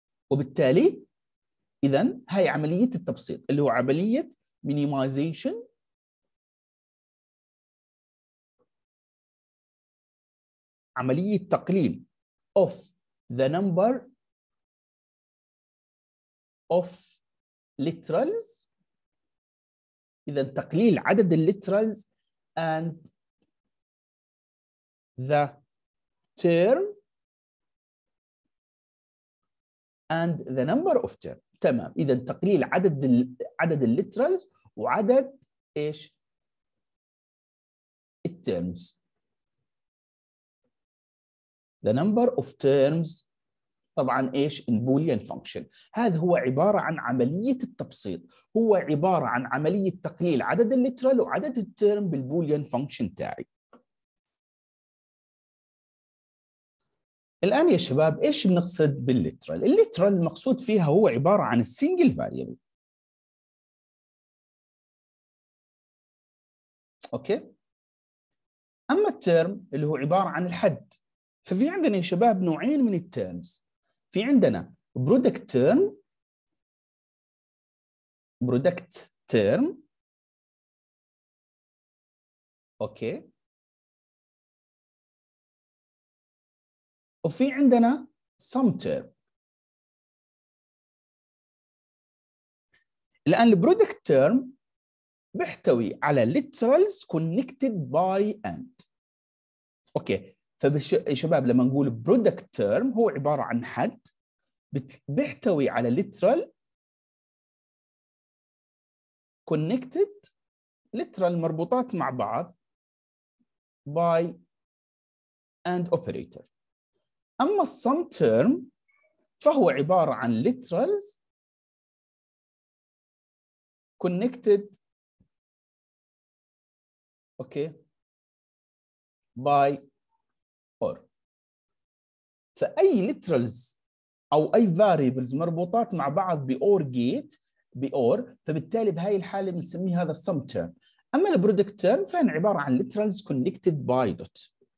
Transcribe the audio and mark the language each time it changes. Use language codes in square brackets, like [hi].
[ar] وبالتالي اذا هاي عمليه التبسيط اللي هو عمليه مينيمايزيشن عمليه تقليل [en] of the number of literals، [ar] إذا تقليل عدد الليترالز and [en] the term and the number of term. [ar] تمام. إذا تقليل عدد literals وعدد إيش terms. [en] The number of terms طبعا إيش in boolean function. [ar] هذا هو عبارة عن عملية التبسيط. هو عبارة عن عملية تقليل عدد literal وعدد term بالboolean function تاعي. الآن يا شباب إيش نقصد بالليترال؟ الليترال المقصود فيها هو عبارة عن السينجل فاريبل. أوكي؟ أما الترم اللي هو عبارة عن الحد. ففي عندنا يا شباب نوعين من الترمز. في عندنا برودكت ترم. برودكت ترم. أوكي؟ وفي عندنا sum term. الآن [en] the product term [ar] بيحتوي على [en] literals connected by and. [ar] أوكي. فشباب لما نقول product term هو عبارة عن حد بيحتوي على literal [en] connected literal [ar] مربوطات مع بعض [en] by and operator. [ar] أما sum term فهو عبارة عن [en] literals connected okay by or. [ar] فأي literals أو أي variables مربوطات مع بعض بOR gate بOR، فبالتالي بهاي الحالة بنسميه هذا [en] sum term. [ar] أما [en] product term [ar] فهن عبارة عن [en] literals connected by dot.